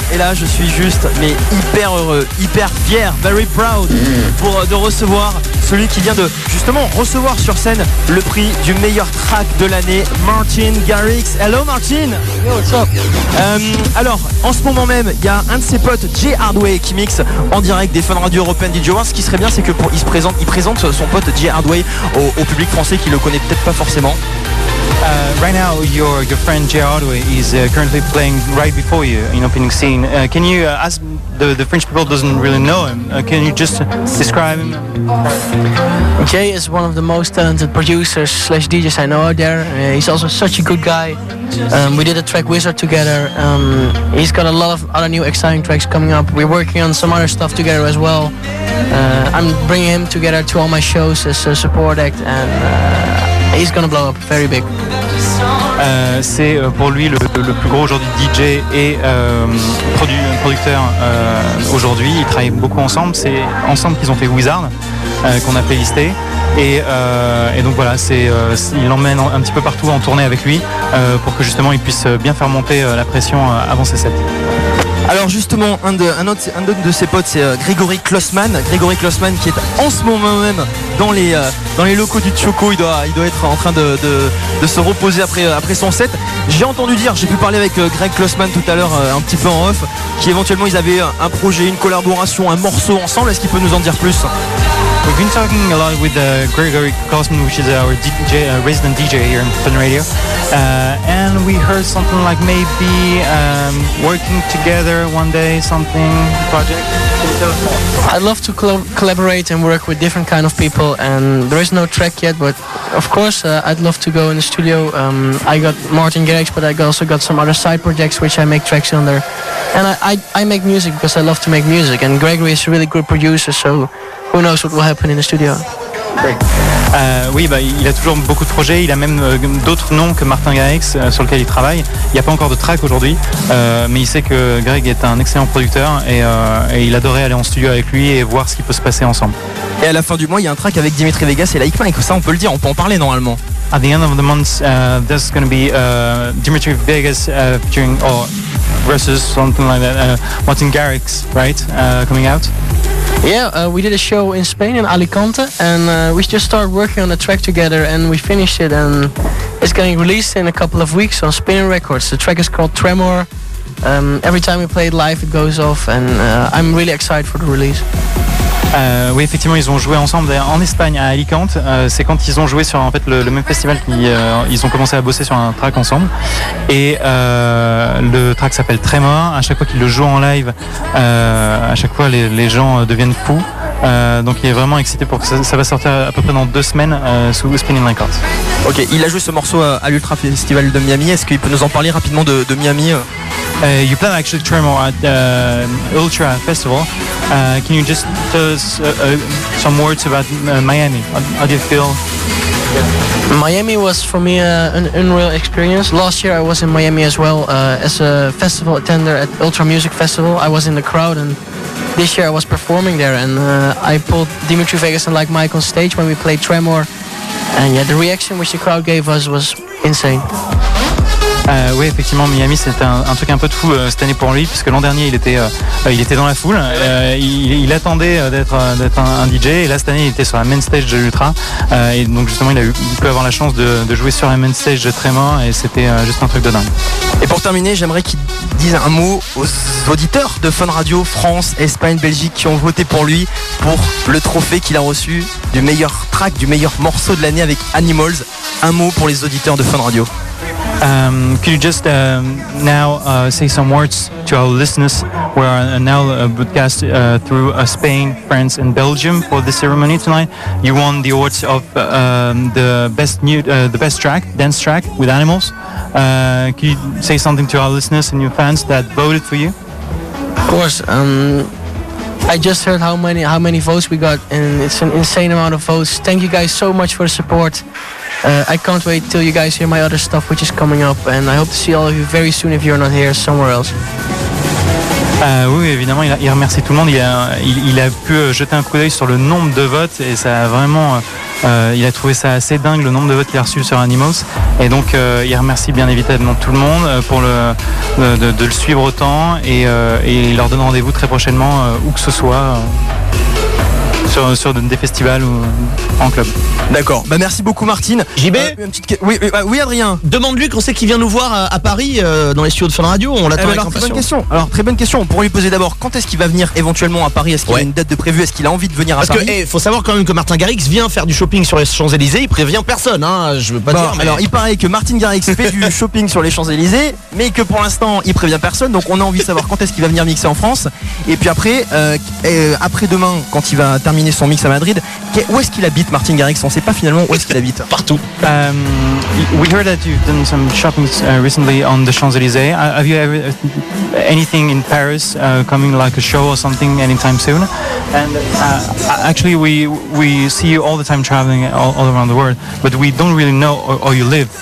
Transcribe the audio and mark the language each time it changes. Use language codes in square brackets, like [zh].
[fr] Et là, je suis juste mais hyper heureux, hyper fier, [en] very proud [fr] pour de recevoir celui qui vient de justement recevoir sur scène le prix du meilleur track de l'année, Martin Garrix. [en] Hello Martin. Yo, what's up? [fr] Alors, en ce moment même, il y a un de ses potes, Jay Hardway, qui mixe en direct des Fun Radio European DJ Awards. Ce qui serait bien, c'est que il présente son pote Jay Hardway au public français qui le connaît peut-être pas forcément. [en] Right now, your friend Jay Hardway is currently playing right before you in opening scene. Can you ask the French people doesn't really know him? Can you just describe him? Jay is one of the most talented producers/DJs I know out there. He's also such a good guy. We did a track Wizard together. He's got a lot of other new exciting tracks coming up. We're working on some other stuff together as well. I'm bringing him together to all my shows as a support act, and he's gonna blow up very big. [fr] C'est pour lui le plus gros aujourd'hui DJ et producteur aujourd'hui. Ils travaillent beaucoup ensemble. C'est ensemble qu'ils ont fait Wizard, qu'on a playlisté. Et donc voilà, il l'emmène un petit peu partout en tournée avec lui pour que justement il puisse bien faire monter la pression avant ses sets. Alors justement, un de ses potes, c'est Grégory Klossmann. Grégory Klossmann qui est en ce moment même dans les locaux du Tsoko. Il doit être en train de se reposer après son set. J'ai pu parler avec Greg Klossmann tout à l'heure un petit peu en off, qui éventuellement ils avaient un projet, une collaboration, un morceau ensemble. Est-ce qu'il peut nous en dire plus? [en] We've been talking a lot with Grégory Klossmann, which is our DJ, resident DJ here in Fun Radio. And we heard something like maybe working together one day, something, project. I'd love to collaborate and work with different kind of people, and there is no track yet, but of course I'd love to go in the studio. I got Martin Garrix, but I also got some other side projects which I make tracks under. And I make music because I love to make music, and Grégory is a really good producer, so who knows what will happen in the studio. [fr] Oui, il a toujours beaucoup de projets. Il a même d'autres noms que Martin Garrix sur lequel il travaille. Il n'y a pas encore de track aujourd'hui, mais il sait que Greg est un excellent producteur et il adorait aller en studio avec lui et voir ce qui peut se passer ensemble. Et à la fin du mois, il y a un track avec Dimitri Vegas et Laïc Mike. Ça, on peut le dire, on peut en parler normalement. [en] At the end of the month, there's going to be Dimitri Vegas featuring or versus something like that, Martin Garrix, right, coming out. Yeah, we did a show in Spain in Alicante, and we just started working on the track together, and we finished it, and it's getting released in a couple of weeks on Spinning Records. The track is called Tremor. Every time we play it live, it goes off, and I'm really excited for the release. [fr] Oui, effectivement, ils ont joué ensemble en Espagne à Alicante. C'est quand ils ont joué sur en fait le même festival qu'ils ont commencé à bosser sur un track ensemble. Et le track s'appelle Tremor. À chaque fois qu'ils le jouent en live, à chaque fois les gens deviennent fous. Donc il est vraiment excité pour que ça va sortir à peu près dans 2 semaines sous Spinning Records. Ok, il a joué ce morceau à l'Ultra Festival de Miami. Est-ce qu'il peut nous en parler rapidement de Miami? [en] You play actually Tremor at the Ultra Festival. Can you just tell us some words about Miami? How do you feel? Miami was for me an unreal experience. Last year I was in Miami as well as a festival attender at Ultra Music Festival. I was in the crowd, and this year I was performing there, and I pulled Dimitri Vegas and Like Mike on stage when we played Tremor. And yeah, the reaction which the crowd gave us was insane. [fr] Oui, effectivement, Miami, c'est un truc un peu de fou cette année pour lui, puisque l'an dernier il était dans la foule, il attendait d'être un DJ, et là cette année il était sur la main stage de l'Ultra, et donc justement il peut avoir la chance de jouer sur la main stage de Tremor, et c'était juste un truc de dingue. Et pour terminer, j'aimerais qu'il dise un mot aux auditeurs de Fun Radio France, Espagne, Belgique qui ont voté pour lui pour le trophée qu'il a reçu du meilleur track, du meilleur morceau de l'année avec Animals. Un mot pour les auditeurs de Fun Radio. [en] Could you just now say some words to our listeners? We are now broadcast through Spain, France and Belgium for the ceremony tonight. You won the awards of the best track, dance track with Animals. Could you say something to our listeners and your fans that voted for you? Of course. I just heard how many votes we got, and it's an insane amount of votes. Thank you guys so much for the support. I can't wait till you guys hear my other stuff which is coming up, and I hope to see all of you very soon if you're not here somewhere else. [fr] Oui, évidemment, il remercie tout le monde. Il a pu jeter un coup d'œil sur le nombre de votes, et ça a vraiment Il a trouvé ça assez dingue le nombre de votes qu'il a reçu sur Animals. Et donc il remercie bien évidemment tout le monde pour de le suivre autant et il leur donne rendez-vous très prochainement où que ce soit. Sur des festivals ou en club. D'accord. Bah merci beaucoup Martine. JB. Oui Adrien. Demande-lui quand c'est qu'il vient nous voir à Paris dans les studios de Fun Radio. On l'attend avec impatience. Très bonne question. On pourrait lui poser d'abord quand est-ce qu'il va venir éventuellement à Paris. Est-ce qu'il a une date de prévu. Est-ce qu'il a envie de venir à Paris. Parce que faut savoir quand même que Martin Garrix vient faire du shopping sur les Champs-Élysées. Il prévient personne. Hein, je veux pas dire. Mais... Alors il paraît que Martin Garrix fait du shopping sur les Champs-Élysées, mais que pour l'instant il prévient personne. Donc on a envie de savoir quand est-ce qu'il va venir mixer en France. Et puis après après demain quand il va terminer son mix à Madrid. Où est-ce qu'il habite, Martin Garrix? On ne sait pas finalement où est-ce qu'il habite. Partout. [en] We heard that you've done some shopping recently on the Champs-Élysées. Have you ever anything in Paris coming like a show or something anytime soon? And actually, we see you all the time traveling all around the world, but we don't really know where you live.